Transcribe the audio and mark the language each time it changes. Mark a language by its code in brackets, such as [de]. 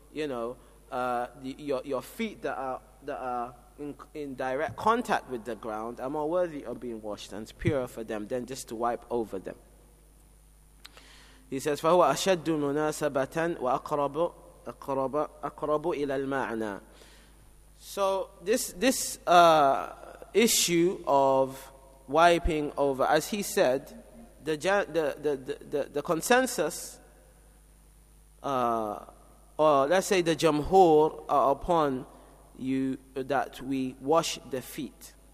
[en] Your feet that are in direct contact with the ground are more worthy of being washed, and it's purer for them than just to wipe over them. [ar] He says, فَهُوَ أَشَدُّ مُنَاسَبَةً وَأَقْرَبُ إِلَى الْمَعْنَى. [en] So this issue of wiping over, as he said, the consensus, or let's say the jamhur, are upon you that we wash the feet.